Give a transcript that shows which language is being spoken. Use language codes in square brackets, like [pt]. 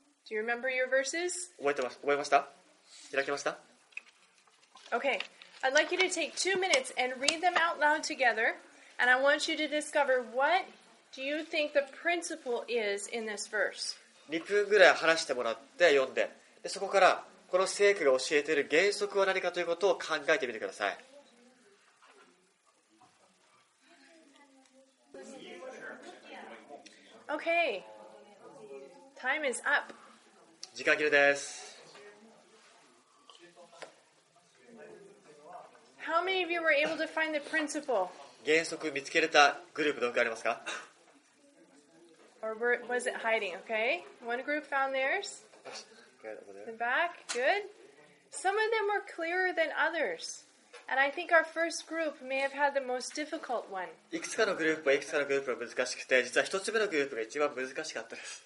[en] Do you remember your verses? [ja] 覚えました?開きました? [en] Okay. I'd like you to take 2 minutes and read them out loud together, and I want you to discover what do you think the principle is in this verse. [ja] 2分ぐらい話してもらって読んで、で、そこからこの聖句が教えている原則は何かということを考えてみてください。 [en] Okay. Time is up. [ja] 時間切れです。 [en] How many of you were able to find the principle? [ja] 原則見つけれたグループどこかありますか? [en] Or was it hiding? Okay. One group found theirs. The back. Good. Some of them were clearer than others. And I think our first group may have had the most difficult one. [ja] いくつかのグループは難しくて、実は一つ目のグループが一番難しかったです。